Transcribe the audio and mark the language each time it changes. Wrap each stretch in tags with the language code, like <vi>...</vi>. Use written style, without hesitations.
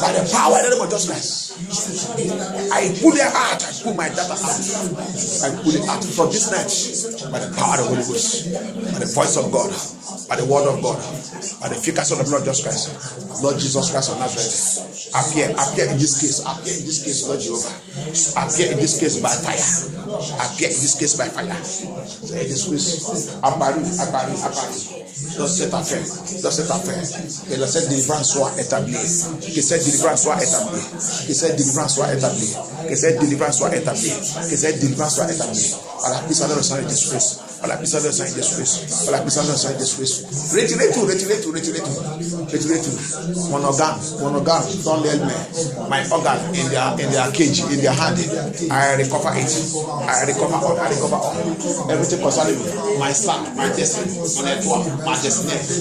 <en>power of the Lord Jesus Christ, I pull their heart, I pull my data out, I pull it out from this night, by the power of the Holy Ghost, by the voice of God, by the word of God, by the efficacy of the Lord Jesus Christ, Lord Jesus Christ of Nazareth, appear in this case, Lord Jehovah, appear in this case by fire, say this Christ, Apparu.</en> <fr>Dans cette affaire, que cette délivrance soit établie, que cette délivrance soit établie, à la puissance de Saint Jésus. Par la puissance de Saint-Esprit. Retirez tout. Mon organe, dans les mains.</fr> <en>My organ in their cage, in their hand. I recover all. Everything concerning me. My sang, my destiny,</en> <fr>mon étoile, ma destinée.</fr>